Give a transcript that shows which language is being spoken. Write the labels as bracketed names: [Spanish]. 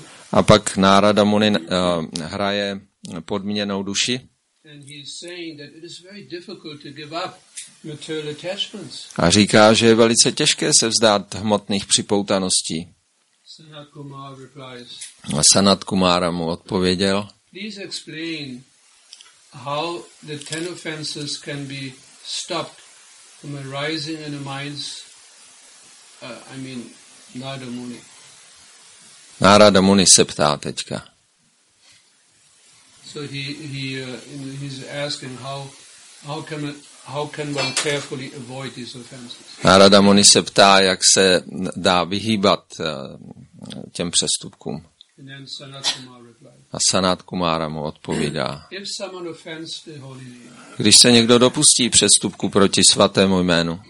[Czech] A pak Narada Muni hraje podmíněnou duši. [English] And he's saying that it is very difficult to give up material attachments. [Czech] A říká, že je velice těžké se vzdát hmotných připoutaností. [English] Sanat Kumar replies. [Czech] A Sanat Kumara mu odpověděl. [English] Please explain how the ten offenses can be stopped from arising in the minds Narada Muni. [Czech] Narada Muni se ptá teďka. [English] So he's asking how can one carefully avoid these offenses. [Czech] Narada Muni se ptá, jak se dá vyhýbat těm přestupkům. [English] And then Sanat Kumara replied. [Czech] A Sanat Kumara mu odpovídá. [English] If someone offends the holy name, [Czech] když se někdo dopustí přestupku proti svatému jménu,